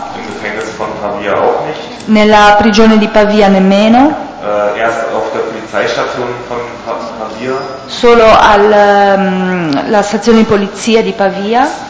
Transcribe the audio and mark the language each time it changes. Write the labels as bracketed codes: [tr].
[de] Im Gefängnis von Pavia auch nicht. [it] Nella prigione di Pavia nemmeno. [de] Erst auf der Polizeistation von Pavia. [it] Solo alla stazione di polizia di Pavia.